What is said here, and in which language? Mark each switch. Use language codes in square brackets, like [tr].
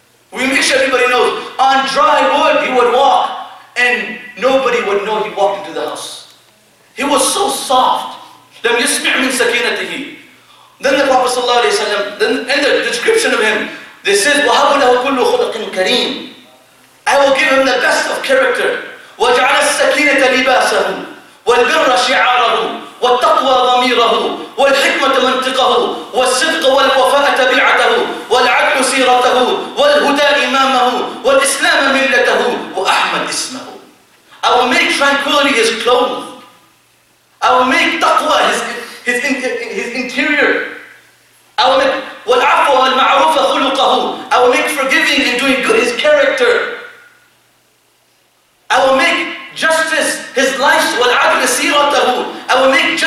[en] We make sure everybody knows. On dry wood, he would walk, and nobody would know he walked into the house. He was so soft. [ar] لَمْ يَسْمِعْ مِنْ سَكِينَتِهِ [en] Then the Prophet صلى الله عليه وسلم, then in the description of him, they said, [ar] وَهَبُ لَهُ كُلُّ خُلَقٍ كَرِيمٍ [en] I will give him the best of character. [ar] وَجْعَلَ السَّكِينَةَ لِبَاسَهُ وَالْبِرَّ شِعَارَهُ وَالتَّقْوَى ضَمِيرَهُ وَالْحِكْمَةَ مَنْطِقَهُ وَالصِّدْقَ وَالْوَفَاءَ تَبِعَتَهُ وَالْعَدْلُ سِيرَتَهُ وَالْهُدَى إِمَامَهُ وَالْإِسْلَامَ مِلَّتَهُ وَأَحْمَدْ إِسْمَهُ [en] I will make tranquility his clothes. I will make taqwa his interior. I will make [ar] وَالْعَفْوَ وَالْمَعْرُوفَ خُلُقَهُ [en] I will make forgiving and doing good his character. I will make justice his life. [ar] وَالْعَدْلُ سِيرَتَهُ [en] I will make